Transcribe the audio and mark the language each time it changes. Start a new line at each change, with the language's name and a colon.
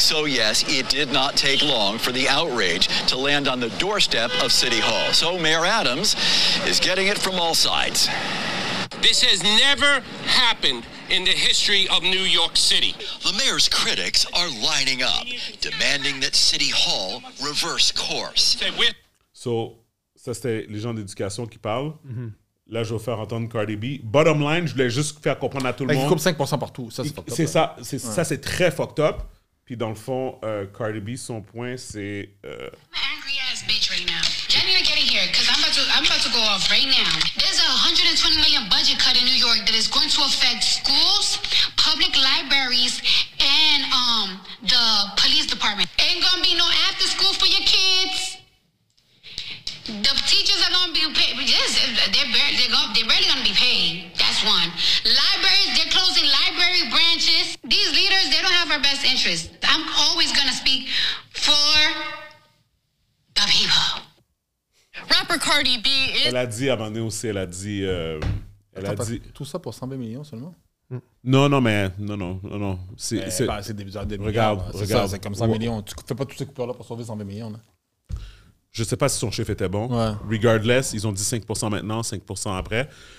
English: So, yes, it did not take long for the outrage to land on the doorstep of City Hall. So Mayor Adams is getting it from all sides. This has never happened in the history of New York City. The mayor's critics are lining up, demanding that City Hall reverse course.
French: So, ça c'était les gens d'éducation qui parlent. Là, je vais faire entendre Cardi B. Bottom line, je voulais juste faire comprendre à tout le monde. Il coupe 5% partout. Ça, c'est fucked up. C'est ça, c'est, ouais. Ça, c'est très fucked up. Puis dans le fond, Cardi B, son point, c'est...
English: Angry-ass bitch right now. Y'all need to get in here, because I'm about to go off right now. There's a $120 million budget cut in New York that is going to affect schools, public libraries, and the police department. Ain't gonna be no after school for your kids. The teachers are going to be paid. Yes, they're barely going to be paid. That's one. Libraries, they're closing library branches. These leaders, they don't have our best interest. I'm always going to speak for the people. Rapper Cardi B is...
French: Elle a dit, à un moment donné aussi, elle a dit... elle attends, a dit... Tout ça pour 120 millions seulement? Non. C'est... Bah, c'est des millions. Regarde. Ça, c'est comme 100 millions. Tu fais pas toutes ces coupures-là pour sauver 120 millions, non? Je ne sais pas si son chiffre était bon. Ouais. Regardless, ils ont dit 5% maintenant, 5% après.